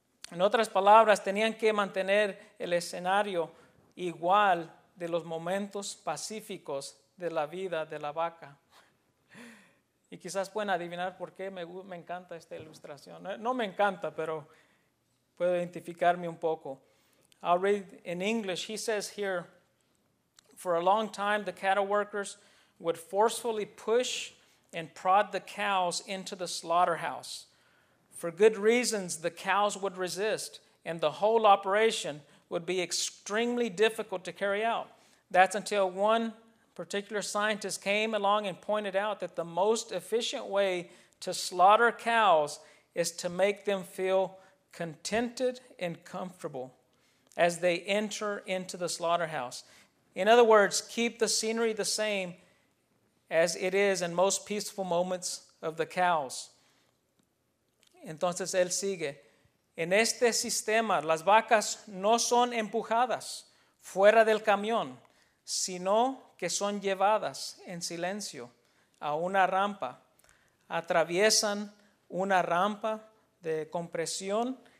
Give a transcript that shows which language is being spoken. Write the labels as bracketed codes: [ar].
[es] En otras palabras, tenían que mantener el escenario igual de los momentos pacíficos de la vida de la vaca. Y quizás pueden adivinar por qué me encanta esta ilustración. No me encanta, pero puedo identificarme un poco. [en] I'll read in English. He says here, "For a long time, the cattle workers would forcefully push and prod the cows into the slaughterhouse. For good reasons, the cows would resist, and the whole operation would be extremely difficult to carry out. That's until one particular scientist came along and pointed out that the most efficient way to slaughter cows is to make them feel contented and comfortable as they enter into the slaughterhouse. In other words, keep the scenery the same as it is in most peaceful moments of the cows." [es] Entonces él sigue. "En este sistema, las vacas no son empujadas fuera del camión, sino que son llevadas en silencio a una rampa. Atraviesan una rampa de compresión.